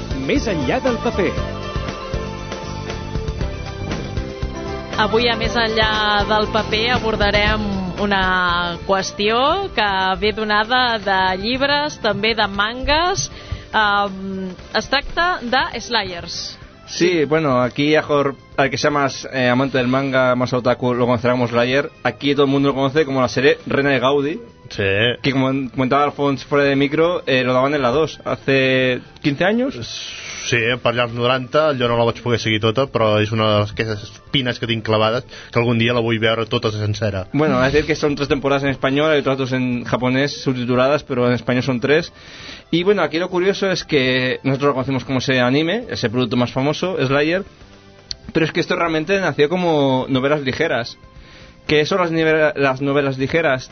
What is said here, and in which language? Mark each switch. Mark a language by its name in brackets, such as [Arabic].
[Catalan] Més enllà del paper. Avui, a Més enllà del paper, abordarem una qüestió que ve donada de llibres, també de mangas. Es tracta de Slayers. [Spanish] Sí, bueno, aquí a Jor, al que sea más amante del manga, más otaku, lo conocerá como Slayer. Aquí todo el mundo lo conoce como la serie Reina de Gaudí. Sí. Que como comentaba Alfons fuera de micro, lo daban en la 2 hace 15 años. [Catalan] Sí, per allà als 90, jo no la vaig poder seguir tota, però és una d'aquestes espines que tinc clavades, que algun dia la vull veure tota sencera. [Spanish] Bueno, es decir que son 3 temporadas en español, hay otras 2 en japonés subtituladas, pero en español son 3. Y bueno, aquí lo curioso es que nosotros lo conocemos como ese anime, ese producto más famoso, Slayer, pero es que esto realmente nació como novelas ligeras. ¿Qué son las novelas ligeras?